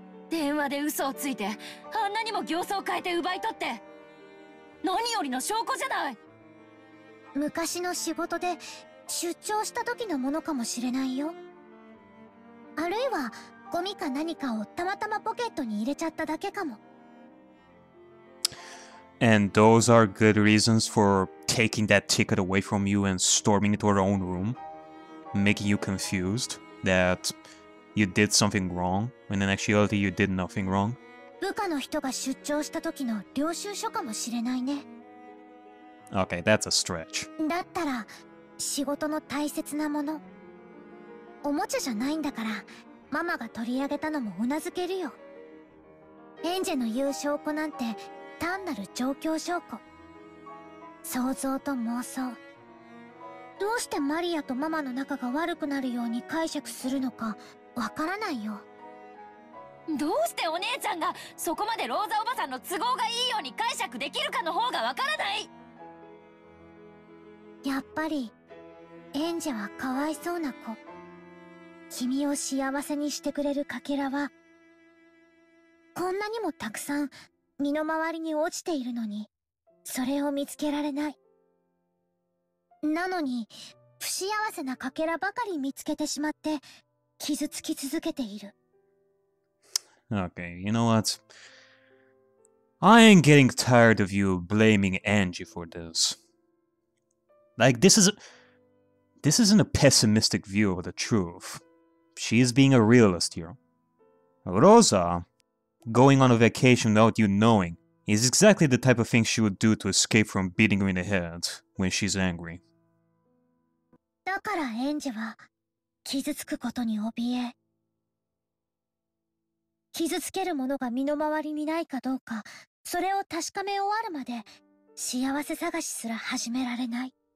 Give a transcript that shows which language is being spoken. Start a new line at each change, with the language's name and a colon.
Japanese: 電話で嘘をついて、あんなにも形相を変えて奪い取って。何よりの証拠じゃない。昔の仕事で出張した時のものかもしれないよ。あるいはゴミか何かをたまたまポケットに入れちゃっただけかも。
English: And those are good reasons for taking that ticket away from you and storming into her own room, making you confused that you did something wrong, when in actuality you did nothing wrong.
Japanese: 部下の人が出張した時の領収書かもしれないね。
English: Okay, that's a stretch.
Japanese: だったら仕事の大切なもの、おもちゃじゃないんだから、ママが取り上げたのもうなずけるよ。エンジェの言う証拠なんて単なる状況証拠、想像と妄想。どうしてマリアとママの仲が悪くなるように解釈するのかわからないよ。どうしてお姉ちゃんがそこまでローザおばさんの都合がいいように解釈できるかの方がわからない。やっぱりエンジェはかわいそうな子。君を幸せにしてくれるかけらはこんなにもたくさん身の回りに落ちているのに、それを見つけられない。なのに不幸せなかけらばかり見つけてしまって傷つき続けている。
English: Okay, you know what? I am getting tired of you blaming Angie for this. Like, this isn't a pessimistic view of the truth. She is being a realist here. Rosa going on a vacation without you knowing is exactly the type of thing she would do to escape from beating her in the head when she's angry.
Japanese: だからエンジェは傷つくことに怯え、傷つけるものが身の回りにないかどうか、それを確かめ終わるまで幸せ探しすら始められない。